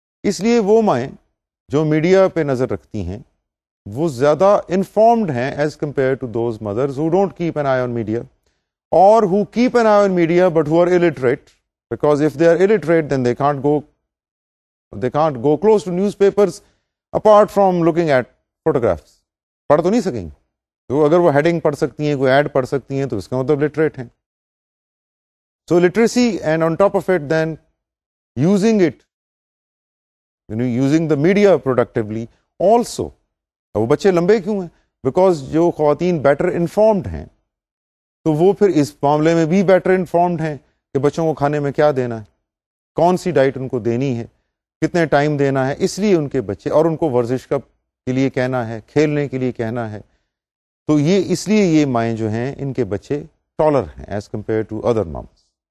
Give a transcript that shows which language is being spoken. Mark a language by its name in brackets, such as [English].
[Urdu] اس لیے وہ مائیں جو میڈیا پہ نظر رکھتی ہیں وہ زیادہ انفارمڈ ہیں [English] as compare to those mothers who don't keep an eye on media اور who keep an eye on media but who are illiterate, because if they are illiterate then they can't go close to newspapers apart from looking at photographs, [Urdu] پڑھ تو نہیں سکیں گے, اگر وہ heading پڑھ سکتی ہیں, کوئی ایڈ پڑھ سکتی ہیں, تو اس کا مطلب لٹریٹ ہیں. [English] So literacy and on top of it then using it, using the media productively also. [Urdu] وہ بچے لمبے کیوں ہیں؟ بیکاز جو خواتین بیٹر انفارمڈ ہیں تو وہ پھر اس معاملے میں بھی بیٹر انفارمڈ ہیں کہ بچوں کو کھانے میں کیا دینا ہے, کون سی ڈائٹ ان کو دینی ہے, کتنے ٹائم دینا ہے, اس لیے ان کے بچے, اور ان کو ورزش کے لیے کہنا ہے, کھیلنے کے لیے کہنا ہے, تو یہ اس لیے یہ مائیں جو ہیں ان کے بچے ٹالر ہیں [English] As compare to other moms.